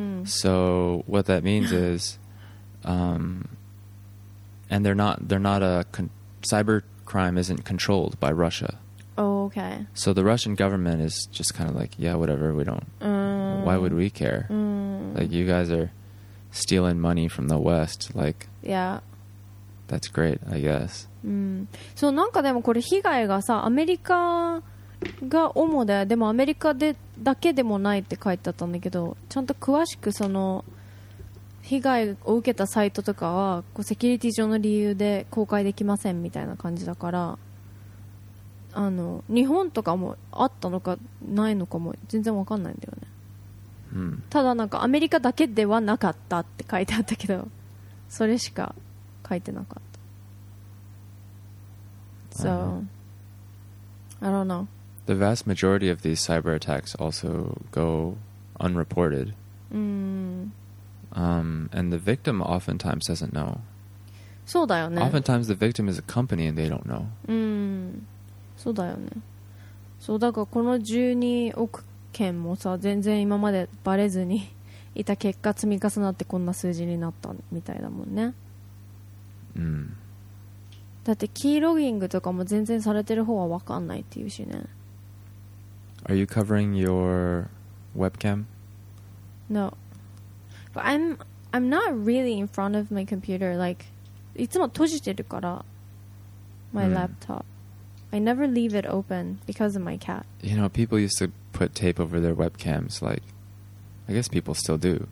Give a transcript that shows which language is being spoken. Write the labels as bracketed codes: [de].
[en] So what that means is, and they're not cyber crime isn't controlled by Russia. Oh, okay. So the Russian government is just kind of like, yeah, whatever. We don't. Why would we care? Like, you guys are stealing money from the West. Like, yeah. That's great, I guess. [ja] So, なんかでもこれ被害がさ、アメリカが主で、でもアメリカでだけでもないって書いてあったんだけど、ちゃんと詳しくその被害を受けたサイトとかは、こうセキュリティ上の理由で公開できませんみたいな感じだから、あの、日本とかもあったのかないのかも全然わかんないんだよね。ただなんかアメリカだけではなかったって書いてあったけどそれしか書いてなかった [en] So I don't know The vast majority of these cyber attacks also go unreported And the victim oftentimes doesn't know [ja] そうだよね [en] Oftentimes the victim is a company and they don't know [ja] そうだよねそうだからこの12億件もさ全然今までバレずにいた結果積み重なってこんな数字になったみたいだもんね、だってキーロギングとかも全然されてる方は分かんないっていうしね [en] Are you covering your webcam? No But I'm not really in front of my computer Like [ja] いつも閉じてるから [en] My laptopI never leave it open because of my cat. You know, people used to put tape over their webcams. Like, I guess people still do.